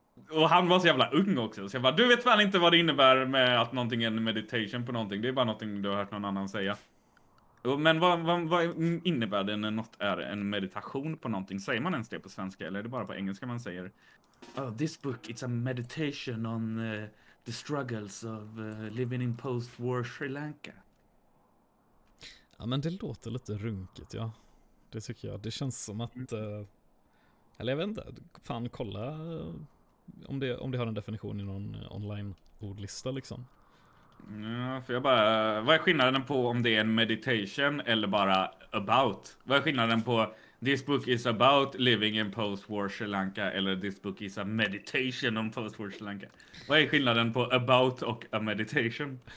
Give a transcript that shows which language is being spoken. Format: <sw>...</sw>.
<sv>Och han var så jävla ung också. Så jag bara, du vet väl inte vad det innebär med att någonting är en meditation på någonting. Det är bara någonting du har hört någon annan säga. Men vad innebär det när något är en meditation på någonting? Säger man ens det på svenska eller är det bara på engelska man säger?</sv> <en>Oh, this book, it's a meditation on the struggles of living in post-war Sri Lanka.</en> <sv>Ja, men det låter lite runkigt, ja. Det tycker jag. Det känns som att... eller jag vet inte. Fan, kolla... Om det har en definition i någon online-ordlista liksom. Ja, för jag bara... Vad är skillnaden på om det är en meditation eller bara about? Vad är skillnaden på</sv> <en>This book is about living in post-war Sri Lanka,</en> <sv>eller</sv> <en>this book is a meditation on post-war Sri Lanka.</en> <sv>Vad är skillnaden på about och a meditation?</sv>